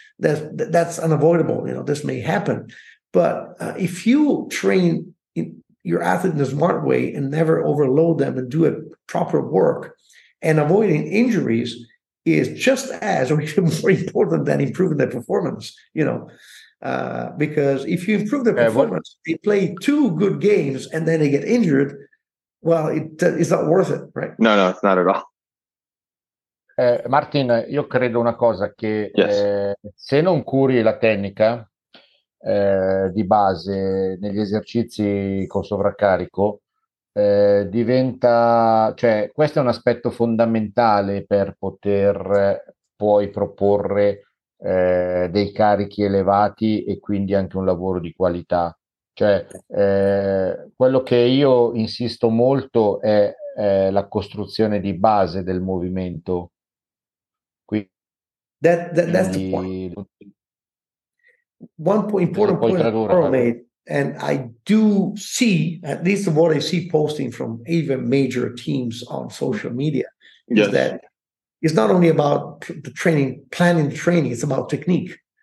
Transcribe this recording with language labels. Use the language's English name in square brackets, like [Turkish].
[English] That's unavoidable. You know, this may happen. But if you train your athlete in a smart way and never overload them and do a proper work, and avoiding injuries is just as or even more important than improving their performance, you know. Because if you improve their performance, they play two good games and then they get injured, well, it's not worth it, right? No, it's not at all. [Italian] Martin, io credo una cosa che se non curi la tecnica di base negli esercizi con sovraccarico, diventa, cioè, questo è un aspetto fondamentale per poter poi proporre dei carichi elevati e quindi anche un lavoro di qualità. Cioè, quello che io insisto molto è la costruzione di base del movimento. [English] That's the point. One point, important point Mauro made, and I do see, at least what I see posting from even major teams on social media, is that it's not only about the training, planning the training, it's about technique.